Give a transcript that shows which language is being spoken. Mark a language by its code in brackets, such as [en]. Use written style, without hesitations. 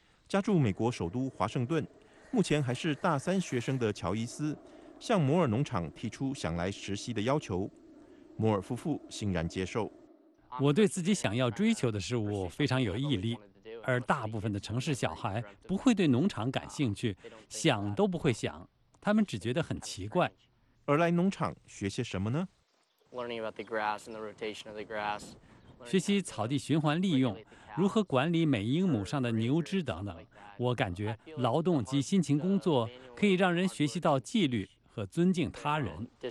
[zh] 家住美国首都华盛顿，目前还是大三学生的乔伊斯向摩尔农场提出想来实习的要求，摩尔夫妇欣然接受。我对自己想要追求的事物非常有毅力，而大部分的城市小孩不会对农场感兴趣，想都不会想，他们只觉得很奇怪。而来农场学些什么呢？ [en] Learning about the grass and the rotation of the grass. [zh] 学习草地循环利用，如何管理每英亩上的牛只等等。我感觉劳动及辛勤工作可以让人学习到纪律和尊敬他人。